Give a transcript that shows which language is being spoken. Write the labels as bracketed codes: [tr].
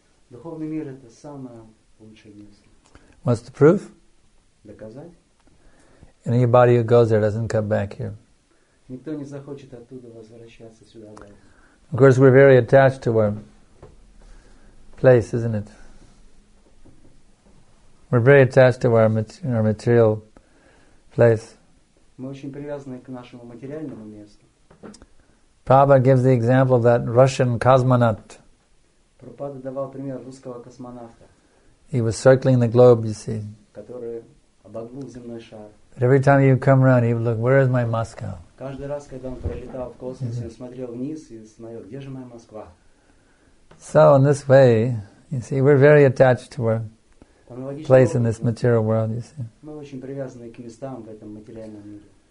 [ru] Духовный мир — это самое лучшее место. [en] What's the proof? [ru] Доказать. [en] Anybody who goes there doesn't come back here. [ru] Никто не захочет оттуда возвращаться сюда. [en] Of course, we're very attached to our place, isn't it? We're very attached to our material place. [ru] Мы очень привязаны к нашему материальному месту. [en] Prabhupada gives the example of that Russian cosmonaut. [ru] Прабхупада давал пример русского космонавта. [en] He was circling the globe, you see. [ru] Который обогнул земной шар. [en] But every time you come around, you look, where is my Moscow? [ru] Каждый раз, когда он пролетал в космосе, он смотрел вниз и смотрел, где же моя Москва? [en] So in this way, you see, we're very attached to our place in this material world, you see. [ru] Мы очень привязаны к местам в этом материальном мире.